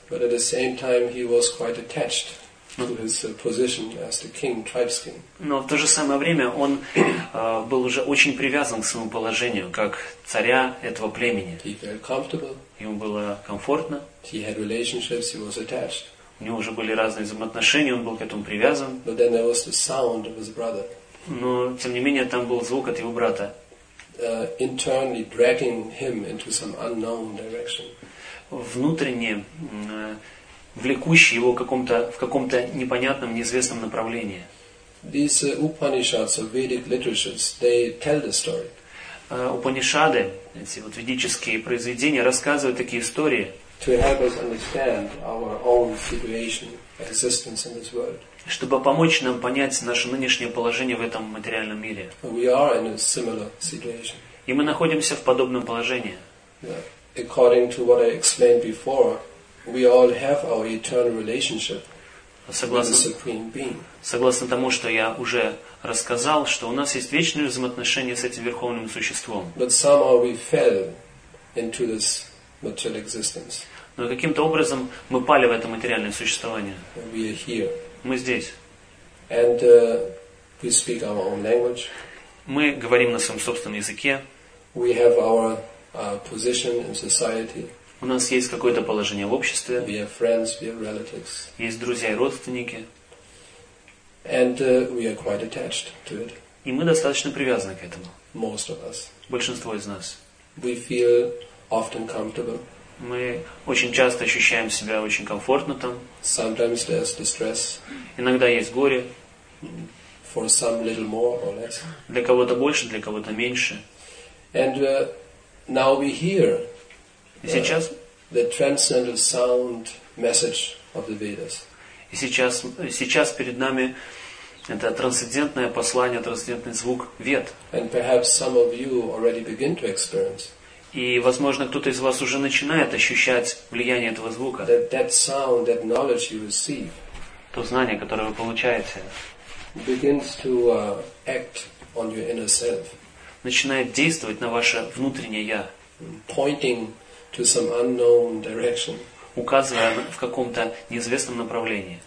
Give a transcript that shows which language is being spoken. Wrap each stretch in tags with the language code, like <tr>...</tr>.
<en>But at the same time he was quite attached to his position as the king, tribe's king.</en> <ru>Но в то же самое время он был уже очень привязан к своему положению, как царя этого племени.</ru> <en>He felt comfortable.</en> <ru>Ему было комфортно.</ru> <en>He had relationships, he was attached.</en> <ru>У него уже были разные взаимоотношения, он был к этому привязан.</ru> <en>But then there was the sound of his brother.</en> <ru>Но, тем не менее, там был звук от его брата.</ru> <en>Internally dragging him into some unknown direction.</en> <ru>Внутренне влекущий его в каком-то непонятном, неизвестном направлении.</ru> <en>These Upanishads or Vedic literatures, they tell the story.</en> <ru>Упанишады, эти вот ведические произведения, рассказывают такие истории.</ru> <en>To help us understand our own situation, existence in this world.</en> <ru>Чтобы помочь нам понять наше нынешнее положение в этом материальном мире.</ru> <en>We are in a similar situation.</en> <ru>И мы находимся в подобном положении.</ru> <en>Yeah. According to what I explained before, we all have our eternal relationship with the Supreme Being.</en> <ru>Согласно тому, что я уже рассказал, что у нас есть вечные взаимоотношения с этим Верховным Существом.</ru> <en>But somehow we fell into this material existence.</en> <ru>Но каким-то образом мы пали в это материальное существование.</ru> <en>We are here.</en> <ru>Мы здесь.</ru> <en>And we speak our own language.</en> <ru>Мы говорим на своем собственном языке.</ru> <en>We have our position in society.</en> <ru>У нас есть какое-то положение в обществе.</ru> <en>We have friends, we have relatives.</en> <ru>Есть друзья и родственники.</ru> <en>And we are quite attached to it.</en> <ru>И мы достаточно привязаны к этому.</ru> <en>Most of us.</en> <ru>Большинство из нас.</ru> <en>We feel often comfortable.</en> <ru>Мы очень часто ощущаем себя очень комфортно там.</ru> <en>Sometimes there's distress.</en> <ru>Иногда есть горе.</ru> <en>For some little more or less.</en> <ru>Для кого-то больше, для кого-то меньше.</ru> <en>And now we hear.</en> <ru>И сейчас</ru> <en>the transcendental sound message of the Vedas.</en> <ru>И сейчас перед нами это трансцендентное послание, трансцендентный звук Вед.</ru> <en>And perhaps some of you already begin to experience.</en> <ru>И возможно, кто-то из вас уже начинает ощущать влияние этого звука.</ru> <en>That sound, that knowledge you receive.</en> <ru>То знание, которое вы получаете,</ru> <en>begins to act on your inner self.</en> <ru>Начинает действовать на ваше внутреннее я.</ru> <en>Pointing to some unknown direction.</en> <ru>Указывая в каком-то неизвестном направлении.</ru>